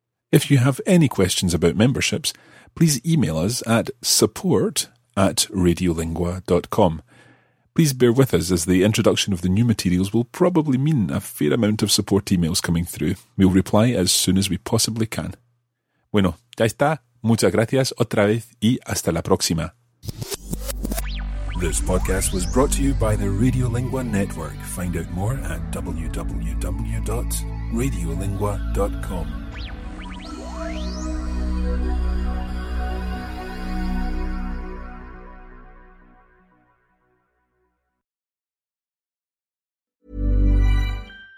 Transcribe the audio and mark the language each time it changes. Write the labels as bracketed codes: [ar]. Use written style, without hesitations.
[en] If you have any questions about memberships, please email us at support@radiolingua.com. Please bear with us as the introduction of the new materials will probably mean a fair amount of support emails coming through. We'll reply as soon as we possibly can. [es] Bueno, ya está. Muchas gracias otra vez y hasta la próxima. [en] This podcast was brought to you by the Radiolingua Network. Find out more at www.radiolingua.com.